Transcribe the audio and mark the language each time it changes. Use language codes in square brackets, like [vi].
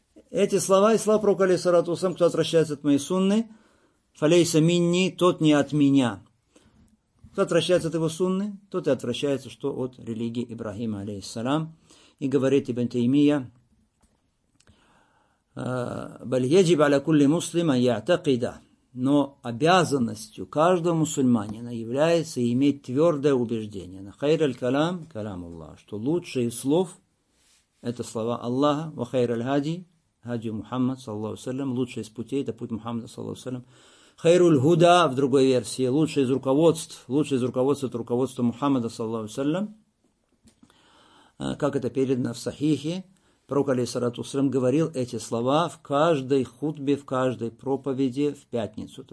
[ru] Эти слова и слова пророка, алейхиссалату вассалям, кто отвращается от моей сунны, «Фалейса минни, тот не от меня». Кто отвращается от его сунны, тот и отвращается, что от религии Ибрахима, алейхиссалам. И говорит Ибн Таймия, [ar] بل يجب على كل مسلم أن يعتقد. [ru] Но обязанностью каждого мусульманина является иметь твердое убеждение. [ar] خير الكلام كلام الله. [ru] Что лучшие слов – это слова Аллаха. [ar] وخير الهدي – هدي محمد صلى الله عليه وسلم. [ru] Лучший из путей – это путь Мухаммада صلى الله عليه وسلم. [ar] خير الهدى [ru] – в другой версии. Лучший из руководств. Лучший из руководств – это руководство Мухаммада صلى الله عليه وسلم. Как это передано в Сахихе. Пророк, алейхиссалату вассалям, говорил эти слова в каждой хутбе, в каждой проповеди в пятницу.